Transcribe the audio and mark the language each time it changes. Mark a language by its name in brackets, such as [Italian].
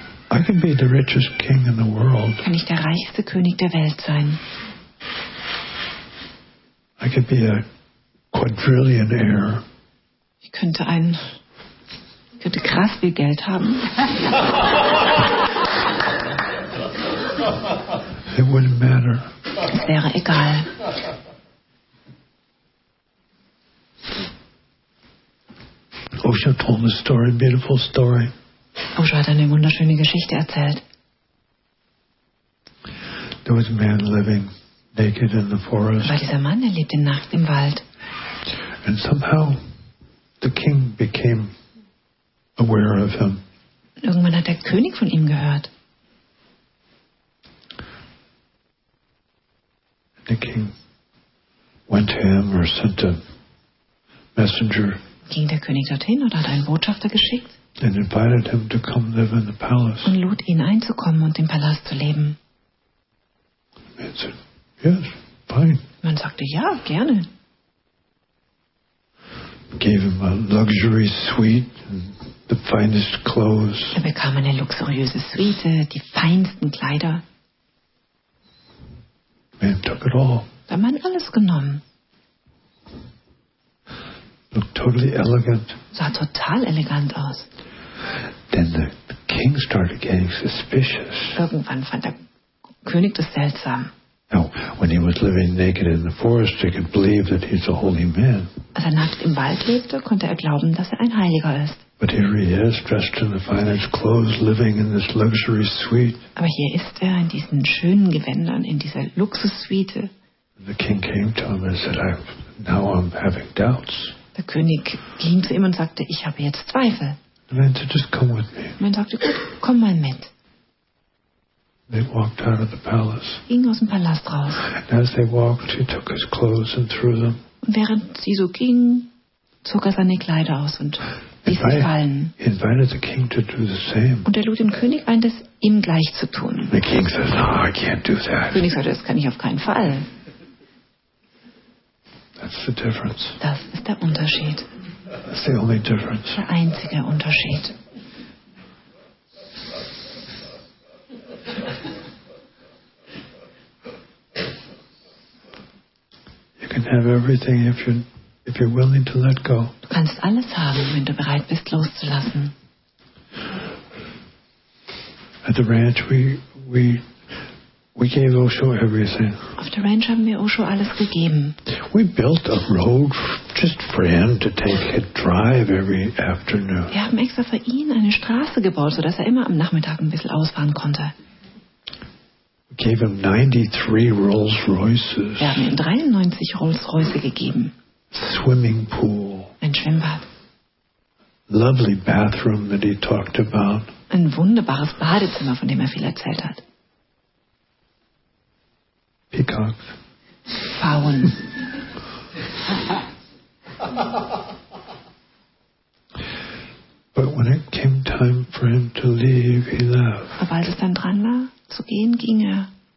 [English] I can be the richest king in the world. [German] Kann ich der reichste König der Welt sein. [English] I could be a quadrillionaire. [German] Ich könnte krass viel Geld haben. [English] It wouldn't matter. [German] Es wäre egal. [English] Osho told a story, beautiful story. [German] Osho hat eine wunderschöne Geschichte erzählt. [English] There was a man living naked in the forest. [German] Aber dieser Mann, er lebte nackt im Wald. [English] And somehow the king became aware of him. [German] Irgendwann hat der König von ihm gehört. [English] The king went to him or sent a messenger. [German] Ging der König dorthin oder hat einen Botschafter geschickt? [English] And invited him to come live in the palace. [German] Und lud ihn einzukommen und im Palast zu leben. [English] And said, yes, fine. [German] Man sagte ja, gerne. [English] Gave him a luxury suite and the finest clothes. [German] Er bekam eine luxuriöse Suite, die feinsten Kleider. [English] Man took it all. [German] Der Mann alles genommen. [English] Looked totally elegant. [German] Sah total elegant aus. [English] Then the king started getting suspicious. [German] Irgendwann fand der König das seltsam. [English] Now, when he was living naked in the forest, he could believe that he's a holy man. [German] Als er nackt im Wald lebte, konnte er glauben, dass er ein Heiliger ist. [English] But here he is, dressed in the finest clothes, living in this luxury suite. [German] Aber hier ist er in diesen schönen Gewändern, in dieser Luxussuite. [English] The king came to him and said, "Now I'm having doubts." [German] Der König ging zu ihm und sagte, ich habe jetzt Zweifel. [English] Meant to just come with me. [German] Man sagte, gut, komm mal mit. [English] They walked out of the palace. [German] Ging aus dem Palast raus. [English] And as they walked, he took his clothes and threw them. [German] Und während sie so ging, zog er seine Kleider aus und ließ sie fallen. [English] He invited the king to do the same. [German] Und er lud den König ein, das ihm gleich zu tun. [English] The king says, "No, I can't do that." [German] Der König sagte, das kann ich auf keinen Fall. [English] That's the difference. [German] Das ist der Unterschied. [English] That's the only difference. [German] Der einzige Unterschied. [English] You can have everything if you're willing to let go. [German] Du kannst alles haben, wenn du bereit bist, loszulassen. [English] At the ranch, we gave Osho everything. [German] Auf der Ranch haben wir Osho alles gegeben. [English] We built a road just for him to take a drive every afternoon. [German] Wir haben extra für ihn eine Straße gebaut, so dass er immer am Nachmittag ein bisschen ausfahren konnte. [English] We gave him 93 Rolls Royces. [German] Wir haben ihm 93 Rolls Royce gegeben. [English] Swimming pool. [German] Ein Schwimmbad. [English] Lovely bathroom that he talked about. [German] Ein wunderbares Badezimmer, von dem er viel erzählt hat. [English] Peacocks. [German] Pfauen. [English] But when it came time for him to leave, he left. [German] Aber als es dann dran war, zu gehen, ging er.